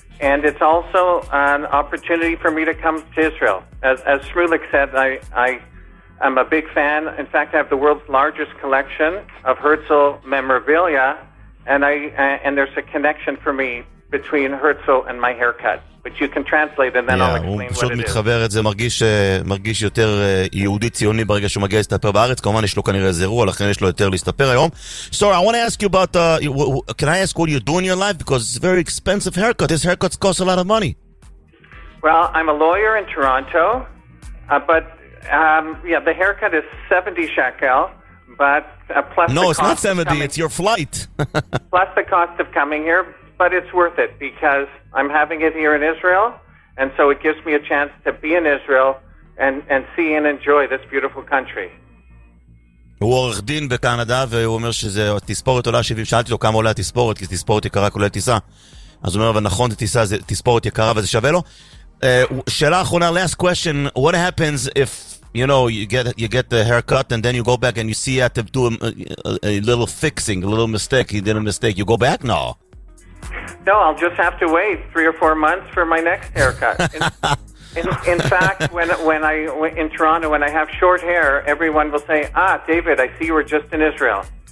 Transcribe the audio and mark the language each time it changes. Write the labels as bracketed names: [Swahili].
[English] And it's also an opportunity for me to come to Israel. As Shmulik said, I'm a big fan. In fact, I have the world's largest collection of Herzl memorabilia, and there's a connection for me between Herzl and my haircut, which you can translate, and then I'll explain what it is. [Hebrew] הוא פשוט מתחבר את זה, מרגיש יותר יהודי ציוני ברגע שהוא מגיע להסתפר בארץ. כמובן, יש לו כנראה איזה אירוע, לכן יש לו יותר להסתפר היום. [English] So, I want to ask you about, can I ask what you're doing in your life? Because it's a very expensive haircut. These haircuts cost a lot of money. Well, I'm a lawyer in Toronto, but... the haircut is 70 shekel, but plus no, it's not 70, it's your flight. Plus the cost of coming here, but it's worth it because I'm having it here in Israel, and so it gives me a chance to be in Israel and see and enjoy this beautiful country. [Hebrew] הוא עורך דין בקנדה, והוא אומר שזה תספורת עולה 70, שאלתי לו כמה עולה התספורת, כי תספורת יקרה כולל טיסה. אז הוא אומר, אבל נכון, זה תספורת יקרה וזה שווה לו. שאלה אחרונה, [English] last question, what happens if you know you get the haircut and then you go back and you see you have to do a little fixing, a little mistake, you did a mistake, you go back? No, I'll just have to wait 3 or 4 months for my next haircut. in fact when I in Toronto when I have short hair, everyone will say, David, I see you were just in Israel.